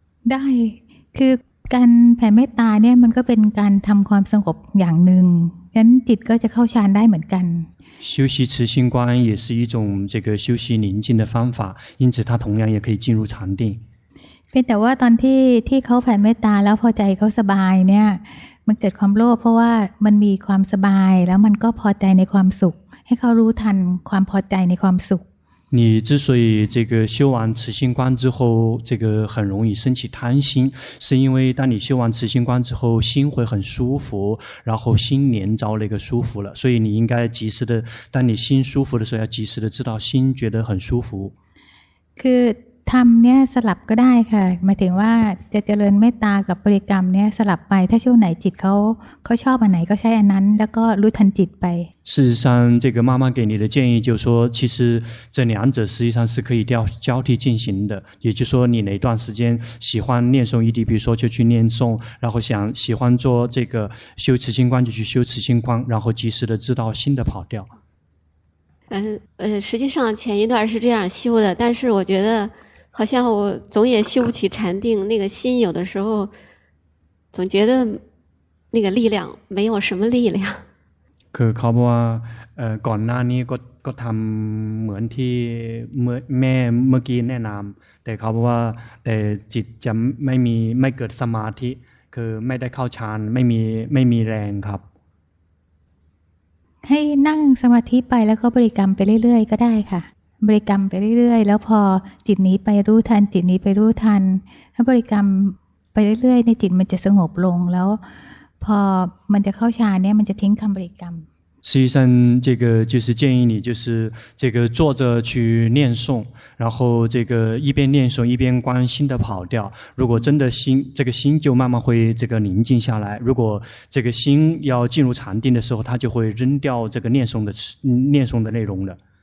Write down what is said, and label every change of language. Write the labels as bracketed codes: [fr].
[th] ได้คือการแผ่เมตตาเนี่ยมันก็เป็นการทำความสงบอย่างหนึ่งงั้นจิตก็จะเข้าฌานได้เหมือนกัน [zh] 修习慈心观也是一种这个修习宁静的方法因此它同样也可以进入禅定 [th] เป็นแต่ว่าตอนที่เขาแผ่เมตตาแล้วพอใจเขาสบายเนี่ยมันเกิดความโลภเพราะว่ามันมีความสบายแล้วมันก็พอใจในความสุขให้เขารู้ทันความพอใจในความสุข [zh] 你之所以这个修完慈心观之后这个很容易升起贪心是因为当你修完慈心观之后心会很舒服然后心连着那个舒服了所以你应该及时的当你心舒服的时候要及时的知道心觉得很舒服 [th] คือทำเนี่ยสลับก็ได้ค่ะหมายถึงว่าจะเจริญเมตตากับบริกรรมเนี่ยสลับไปถ้าช่วงไหนจิตเขาชอบอันไหนก็ใช้อันนั้นแล้วก็รู้ทันจิตไป [zh] 事实上这个妈妈给你的建议就是说其实这两者实际上是可以交替进行的也就是说你哪段时间喜欢念诵 ED 比如说就去念诵然后想喜欢做这个修慈心观就去修慈心观然后及时的知道心的跑掉实际上前一段是这样修的，但是我觉得好像我总也修不起禅定，那个心有的时候总觉得那个力量没有什么力量。 [th] คือเขาบอกว่าก่อนหน้านี้ก็ทำเหมือนที่แม่เมื่อกี้แนะนำแต่เขาบอกว่าแต่จิตจะไม่มีไม่เกิดสมาธิคือไม่ได้เข้าฌานไม่มีแรงครับ ให้นั่งสมาธิไปแล้วก็บริกรรมไปเรื่อยๆก็ได้ค่ะบริกรรมไปเรื่อยๆแล้วพอจิตนี้ไปรู้ทันจิตนี้ไปรู้ทันถ้าบริกรรมไปเรื่อยๆในจิตมันจะสงบลงแล้วพอมันจะเข้าฌานเนี่ยมันจะทิ้งคำบริกรรม [zh] 实际上这个就是建议你就是这个坐着去念诵，然后这个一边念诵一边关心的跑掉，如果真的心这个心就慢慢会这个宁静下来，如果这个心要进入禅定的时候，它就会扔掉这个念诵的内容了。